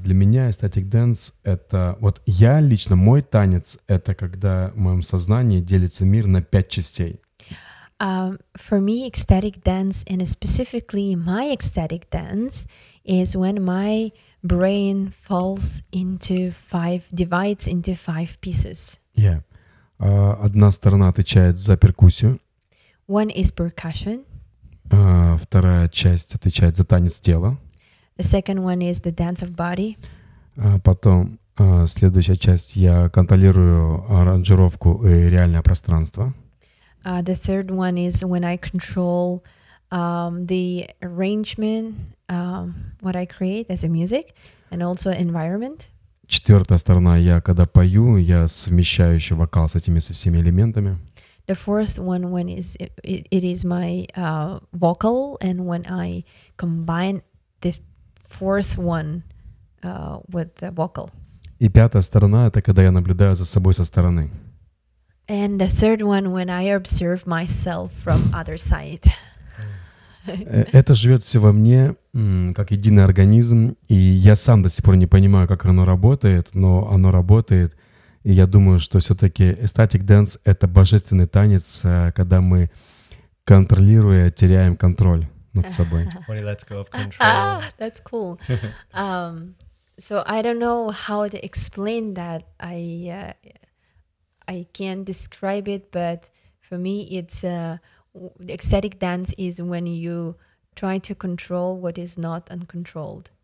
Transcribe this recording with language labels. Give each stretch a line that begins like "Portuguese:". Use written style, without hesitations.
Russian: Для меня эстетик dance это вот я лично мой танец это когда в моем сознании делится мир на пять частей.
English: For me, ecstatic dance and specifically my ecstatic dance is when my brain falls into five pieces. Yeah.
Russian: Одна сторона отвечает за перкуссию.
English: One is percussion.
Russian: Вторая часть отвечает за танец тела.
English: The second one is the dance of body.
Russian: Потом следующая часть я контролирую аранжировку и реальное пространство.
English: The third one is when I control the arrangement, what I create as a music, and also environment.
Russian: Четвертая сторона, я когда пою, я совмещаю еще вокал с этими, со всеми элементами.
English: The fourth one, when it is my vocal, and when I combine the fourth one with the vocal.
Russian: И пятая сторона, это когда я наблюдаю за собой со стороны.
English: And the third one, when I observe myself from other side.
Russian: Это живет все во мне, как единый организм, и я сам до сих пор не понимаю, как оно работает, но оно работает, и я думаю, что все-таки эстетик дэнс — это божественный танец, когда мы, контролируя, теряем контроль над собой.
English: When he lets go of control. That's cool. So I don't know how to explain that. I can't describe it, but for me it's ecstatic dance is when you try to control what is not uncontrolled.